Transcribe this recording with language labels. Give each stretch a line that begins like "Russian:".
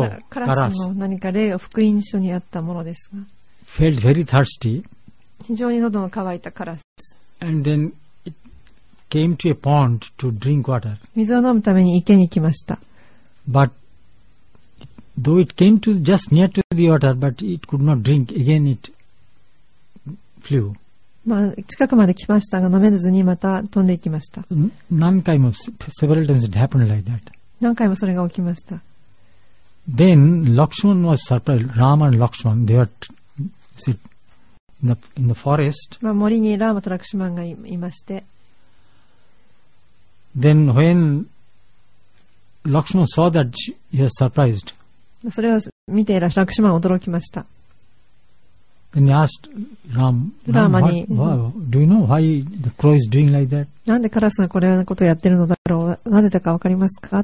Japanese: カラス何か例を福音書にあったものですが、
English: felt very thirsty,
Japanese: 非常に喉が渇いたカラス、
English: and then it came to a pond to drink water.
Japanese: 水を飲むために池に来ました。
English: But though it came to just near to the water, but it could not drink. Again it.
Japanese: まあ、近くまで来ましたが飲めずにまた飛んでいきました。何回も
English: several times it happened like that.
Japanese: 何回もそれが起きました。
English: Then Lakshman was surprised. Rama and Lakshman, they were in the forest.
Japanese: まあ、森にラーマとラクシュマンがいまして。
English: Then when Lakshman saw that, he was surprised.
Japanese: それを見ていらラクシュマン驚きました。
English: Then he asked Rama, "Why? Do you know why the crow is doing like that?"
Japanese: なんでカラスがこれなことをやってるのだろう。なぜだかわかりますか？